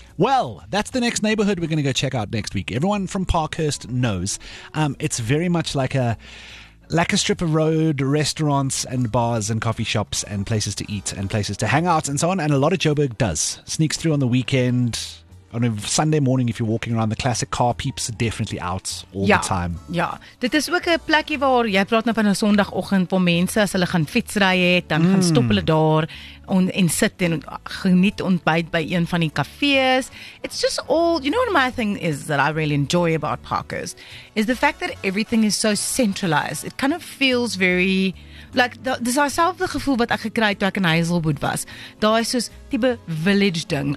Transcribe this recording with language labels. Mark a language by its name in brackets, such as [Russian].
[English] Well, that's the next neighborhood we're going to go check out next week. Everyone from Parkhurst knows. It's very much like a strip of road, restaurants and bars and coffee shops and places to eat and places to hang out and so on. And a lot of Joburg does. Sneaks through on the weekend. On a Sunday morning, if you're walking around, the classic car peeps are definitely out all [Afrikaans] ja, [English] the time. [Afrikaans] Ja, dit is ook 'n plekkie waar jy praat nou van 'n Sondagoggend waar mense as hulle gaan fietsry het, dan gaan stop hulle daar en sit en geniet ontbyt by een van die kafees. [English] It's just all, you know what my thing is that I really enjoy about Parkers is the fact that everything is so centralized. It kind of feels very like [Afrikaans] dis dieselfde gevoel wat ek gekry het toe ek in Hazelwood was. Daar is soos tipe village ding.